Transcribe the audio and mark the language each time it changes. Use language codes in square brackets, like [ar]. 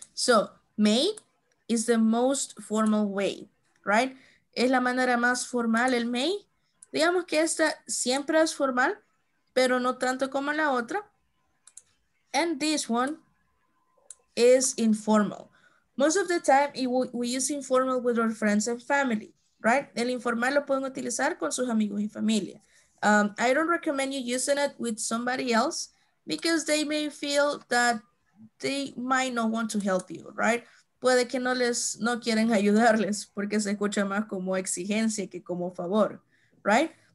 [en] So may is the most formal way, right? [es] Es la manera más formal el may. Digamos que esta siempre es formal, pero no tanto como la otra. [en] And this one is informal. Most of the time, we use informal with our friends and family, right? [es] El informal lo pueden utilizar con sus amigos y familia. [en] I don't recommend you using it with somebody else because they may feel that they might not want to help you, right? [es] Puede que no quieren ayudarles porque se escucha más como exigencia que como favor, right?